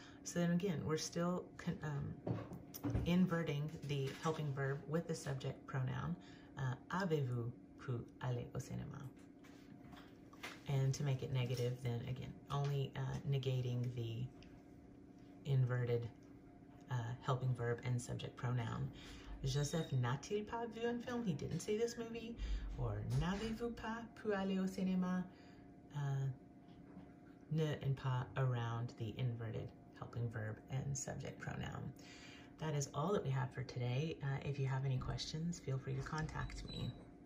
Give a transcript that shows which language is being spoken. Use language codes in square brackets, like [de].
[en] So then again, we're still inverting the helping verb with the subject pronoun. [fr] Avez-vous pu aller au cinéma? [en] And to make it negative, then again, only negating the inverted helping verb and subject pronoun. [fr] Joseph n'a-t-il pas vu un film? [en] He didn't see this movie. [fr] Or n'avez-vous pas pu aller au cinéma? [en] Ne and pas around the inverted helping verb and subject pronoun. That is all that we have for today. If you have any questions, feel free to contact me.